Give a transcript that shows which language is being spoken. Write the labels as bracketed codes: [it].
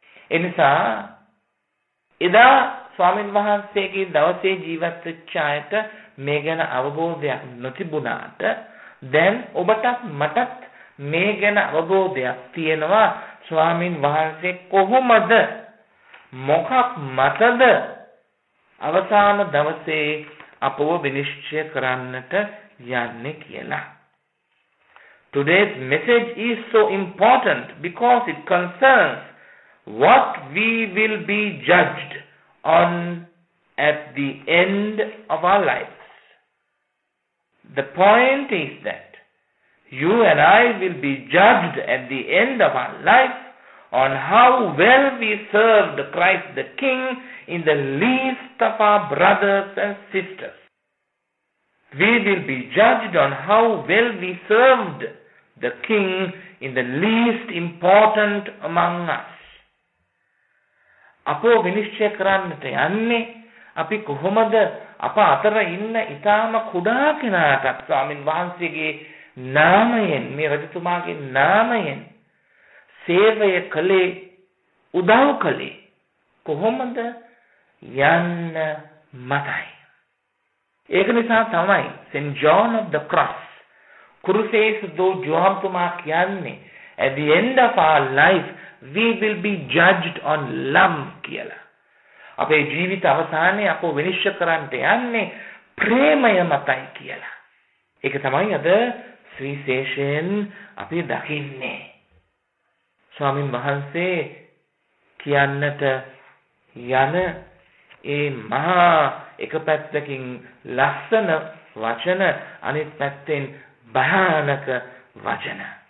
[si] එනිසා එදා ස්වාමීන් වහන්සේගේ දවසේ ජීවත් වෙච්ච අයට මේ ගැන අවබෝධයක් නොතිබුණාට දැන් ඔබටත් මටත් මේ ගැන අවබෝධයක් තියෙනවා. ස්වාමීන් වහන්සේ කොහොමද, මොකක් මතද අවසාන දවසේ අපව විනිශ්චය කරන්නට යන්නේ කියලා. [en] Today's message is so important because it concerns what we will be judged on at the end of our lives. The point is that you and I will be judged at the end of our life on how well we served Christ the King in the least of our brothers and sisters. We will be judged on how well we served the King in the least important among us. [si] අපෝ විනිශ්චය කරන්නට යන්නේ අපි කොහොමද අප අතර ඉන්න ඉතාම කුඩා කෙනාටත් ස්වාමින් වහන්සේගේ නාමයෙන්, මේ රජතුමාගේ නාමයෙන් සේවය කළේ, උදව් කළේ කොහොමද යන්න මතයි. ඒක නිසා තමයි St. [en] John of the Cross [si] කුරුසේ සුදෝ ජෝහම්තුමා කියන්නේ [en] at the end of our life we will be judged on love [si] කියලා. අපේ ජීවිත අවසානයේ අපව විනිශ්චය කරන්නට යන්නේ ප්‍රේමය මතයි කියලා. ඒක තමයි අද සුවිශේෂයෙන් අපි දකින්නේ. ස්වාමින් වහන්සේ කියන්නට යන ඒ මහා එක පැත්තකින් ලස්සන වචන, අනිත් පැත්තෙන් භයානක වචන.